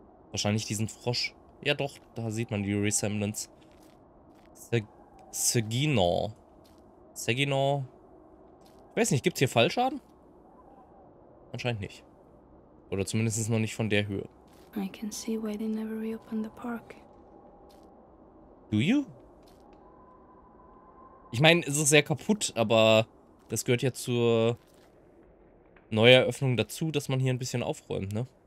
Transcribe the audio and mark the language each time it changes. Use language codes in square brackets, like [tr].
[de] Wahrscheinlich diesen Frosch. Ja doch, da sieht man die Resemblance. Seginor. Seginor. Ich weiß nicht, gibt es hier Fallschaden? Anscheinend nicht. Oder zumindest noch nicht von der Höhe. [en] I can see why they never reopen the park. Do you? [de] Ich meine, es ist sehr kaputt, aber das gehört ja zur Neueröffnung dazu, dass man hier ein bisschen aufräumt, ne?